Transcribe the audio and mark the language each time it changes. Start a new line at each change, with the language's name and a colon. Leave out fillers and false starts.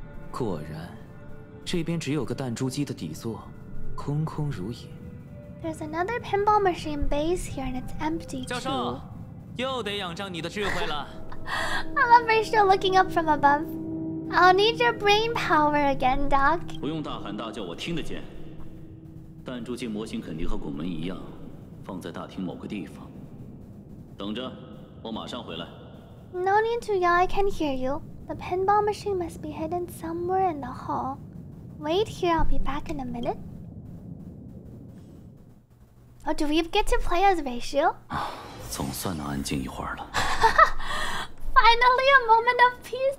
Chinese: 果然, 这边只有个弹珠机的底座, 空空如也。
English: There's another pinball machine base here and it's empty too.
Chinese: 教授, 又得仰仗你的智慧了。
English: I love Rachel looking up from above. I'll need your brain power again, Doc.
Chinese: 不用大喊大叫，我听得见。弹珠机模型肯定和拱门一样，放在大厅某个地方。等着，我马上回来。
English: No need to yell, I can hear you. The pinball machine must be hidden somewhere in the hall. Wait here, I'll be back in a minute. Oh, do we get to play as Rachel?
Chinese: 总算能安静一会儿了。
English: Finally, a moment of peace.